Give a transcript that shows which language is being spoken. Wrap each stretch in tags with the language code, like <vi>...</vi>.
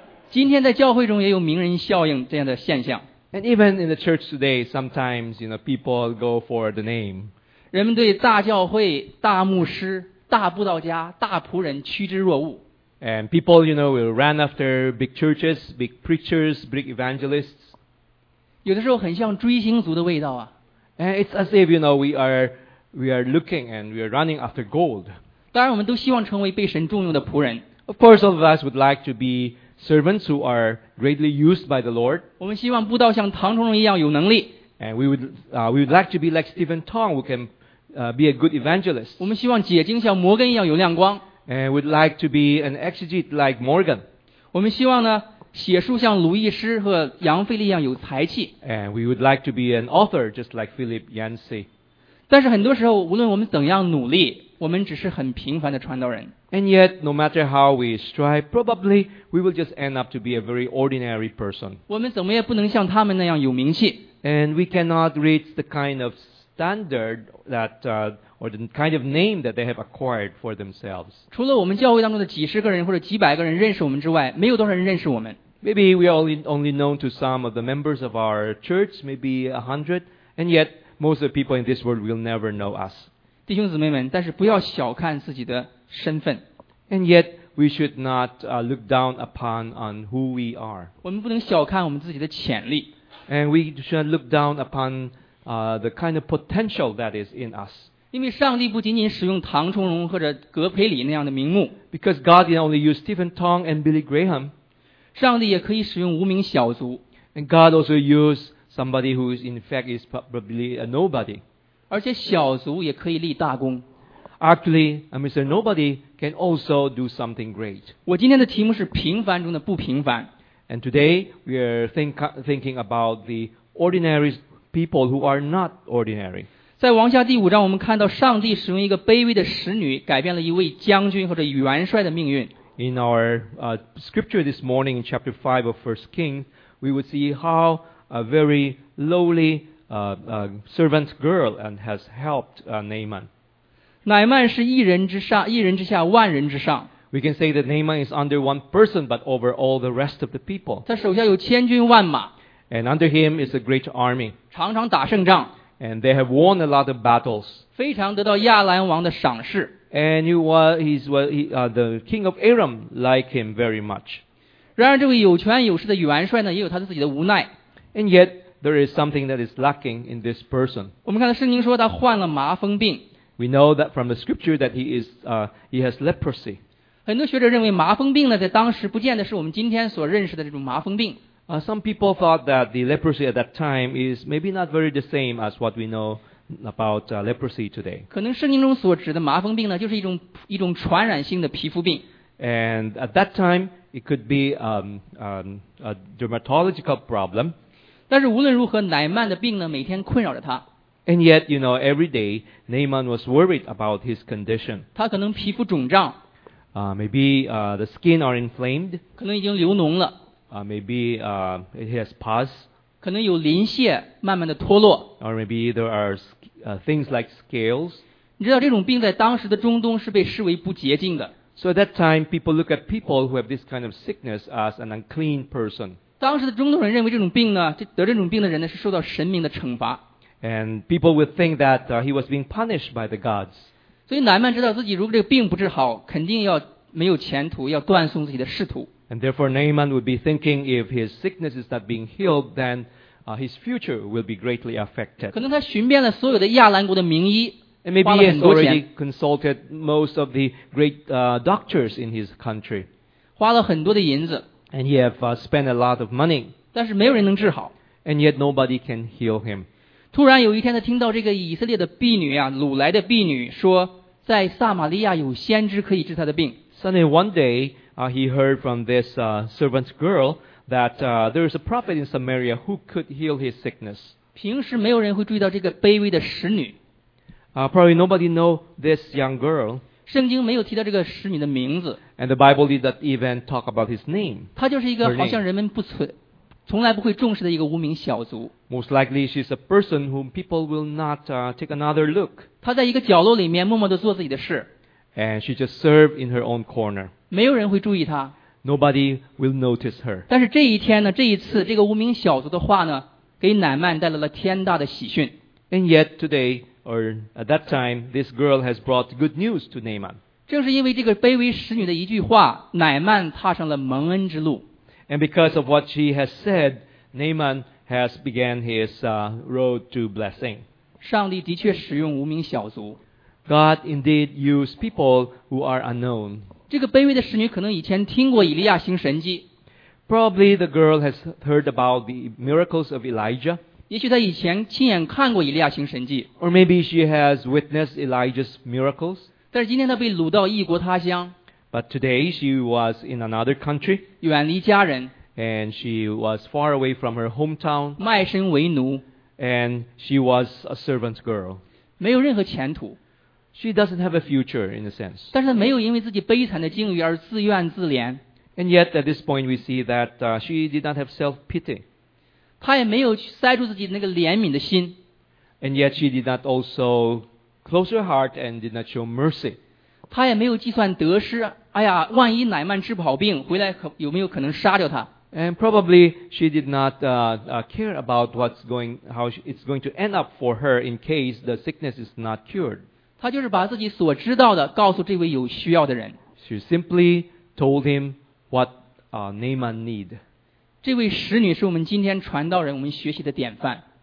<zh>今天在教会中也有名人效应这样的现象。</zh> <en>And even in the church today, sometimes, you know, people go for the name.</en> <zh>人们对大教会、大牧师、大布道家、大仆人趋之若鹜。</zh> <en>And people, you know, will run after big churches, big preachers, big evangelists.</en> <zh>有的时候很像追星族的味道啊。</zh> <en>And it's as if, you know, we are looking and we are running after gold.</en> <zh>当然我们都希望成为被神重用的仆人。</zh> <en>Of course, all of us would like to be servants who are greatly used by the Lord.</en> <zh>我们希望布道像唐崇荣一样有能力。</zh> <en>And we would like to be like Stephen Tong, who can be a good evangelist.</en> <zh>我们希望解经像摩根一样有亮光。</zh> <en>And we'd like to be an exegete like Morgan.</en> <zh>我们希望呢写书像鲁易斯和杨菲利一样有才气。</zh> <en>And we would like to be an author just like Philip Yancey.</en> <zh>但是很多时候，无论我们怎样努力，我们只是很平凡的传道人。</zh> <en>And yet, no matter how we strive, probably we will just end up to be a very ordinary person.</en> <zh>我们怎么也不能像他们那样有名气。</zh> <en>And we cannot reach the kind of standard that, or the kind of name that they have acquired for themselves.</en> <zh>除了我们教会当中的几十个人或者几百个人认识我们之外，没有多少人认识我们。</zh> <en>Maybe we are only known to some of the members of our church, maybe 100, and yet most of the people in this world will never know us.</en> <zh>弟兄姊妹们，但是不要小看自己的身份。</zh> <en>And yet we should not look down upon on who we are.</en> <zh>我们不能小看我们自己的潜力。</zh> <en>And we should not look down upon the kind of potential that is in us.</en> <zh>因为上帝不仅仅使用唐崇荣或者格培里那样的名目。</zh> <en>Because God didn't only use Stephen Tong and Billy Graham.</en> <zh>上帝也可以使用无名小卒。</zh> <en>And God also used somebody who is in fact is probably a nobody.</en> <zh>而且小卒也可以立大功。</zh> <en>Actually, a Mr. Nobody can also do something great.</en> <zh>我今天的题目是平凡中的不平凡。</zh> <en>And today, we are thinking about the ordinary people who are not ordinary.</en> <zh>在王下第五章，我们看到上帝使用一个卑微的使女，改变了一位将军或者元帅的命运。</zh> <en>In our scripture this morning, in chapter 5 of 1 Kings, we would see how a very lowly servant girl and has helped Naaman.</en> <zh>乃曼是一人之上，一人之下，万人之上。</zh> <en>We can say that Naaman is under one person, but over all the rest of the people.</en> <zh>他手下有千军万马。</zh> <en>And under him is a great army.</en> <zh>常常打胜仗。</zh> <en>And they have won a lot of battles.</en> <zh>非常得到亚兰王的赏识。</zh> <en>And the king of Aram liked him very much.</en> <zh>然而这位有权有势的元帅呢，也有他自己的无奈。</zh> <en>And yet there is something that is lacking in this person.</en> <zh>我们看到圣经说他患了麻风病。</zh> <en>We know that from the scripture that he has leprosy.</en> <zh>很多学者认为麻风病呢，在当时不见得是我们今天所认识的这种麻风病。</zh> <en>Some people thought that the leprosy at that time is maybe not very the same as what we know about leprosy today.</en> <zh>可能圣经中所指的麻风病呢，就是一种传染性的皮肤病。</zh> <en>And at that time, it could be a dermatological problem.</en> <zh>但是无论如何，乃曼的病呢，每天困扰着他。</zh> <en>And yet, you know, every day, Naaman was worried about his condition.</en> <zh>他可能皮肤肿胀。</zh> <en>The skin are inflamed.</en> <zh>可能已经流脓了。</zh> <en>It has pus.</en> <zh>可能有鳞屑慢慢的脱落。</zh> <en>Or maybe there are things like scales.</en> <zh>你知道这种病在当时的中东是被视为不洁净的。</zh> <en>So at that time, people look at people who have this kind of sickness as an unclean person.</en> <zh>当时的中东人认为这种病呢，得这种病的人呢是受到神明的惩罚。</zh> <en>And people would think that he was being punished by the gods.</en> <zh>所以乃曼知道自己如果这个病不治好，肯定要没有前途，要断送自己的仕途。</zh> <en>And therefore, Naaman would be thinking if his sickness is not being healed, then his future will be greatly affected.</en> <zh>可能他寻遍了所有的亚兰国的名医。</zh> <en>And maybe he has already consulted most of the great doctors in his country. And he has spent a lot of money.</en> <zh>但是没有人能治好。</zh> <en>And yet nobody can heal him.</en> <zh>突然有一天他听到这个以色列的婢女啊，掳来的婢女说，在撒玛利亚有先知可以治他的病。</zh> <en>Suddenly one day, he heard from this servant's girl that there is a prophet in Samaria who could heal his sickness.</en> <zh>平时没有人会注意到这个卑微的使女。</zh> <en>Probably nobody know this young girl.</en> <zh>圣经没有提到这个使女的名字。</zh> <en>And the Bible did not even talk about his name.</en> <zh>她就是一个好像人们不存从来不会重视的一个无名小卒。</zh> <en>Most likely she's a person whom people will not take another look.</en> <zh>她在一个角落里面默默地做自己的事。</zh> <en>And she just served in her own corner.</en> <zh>没有人会注意她。</zh> <en>Nobody will notice her.</en> <zh>但是这一天呢，这一次这个无名小卒的话呢，给乃曼带来了天大的喜讯。</zh> <en>And yet today, or at that time, this girl has brought good news to Naaman.</en> <zh>正是因为这个卑微使女的一句话，乃曼踏上了蒙恩之路。</zh> <en>And because of what she has said, Naaman has began his road to blessing.</en> <zh>上帝的确使用无名小卒。</zh> <en>God indeed used people who are unknown.</en> <zh>这个卑微的使女可能以前听过以利亚行神迹。</zh> <en>Probably the girl has heard about the miracles of Elijah.</en> <zh>也许她以前亲眼看过以利亚行神迹。</zh> <en>Or maybe she has witnessed Elijah's miracles.</en> <zh>但是今天她被掳到异国他乡。</zh> <en>But today she was in another country,</en> <zh>远离家人,</zh> <en>and she was far away from her hometown,</en> <zh>卖身为奴,</zh> <en>and she was a servant girl.</en> <zh>没有任何前途,</zh> <en>she doesn't have a future in a sense.</en> <zh>但是她没有因为自己悲惨的境遇而自怨自怜,</zh> <en>and yet at this point we see that she did not have self-pity.</en> <zh>她也没有塞住自己那个怜悯的心,</zh> <en>and yet she did not also close her heart and did not show mercy.</en> <zh>他也没有计算得失，哎呀，万一乃曼治不好病，回来可有没有可能杀掉他</zh> <en>？And probably she did not care about what's going, how it's going to end up for her in case the sickness is not cured.</en> <zh>他就是把自己所知道的告诉这位有需要的人。</zh> <en>She simply told him what Naaman need.</en> <zh>这位使女是我们今天传道人我们学习的典范。</zh>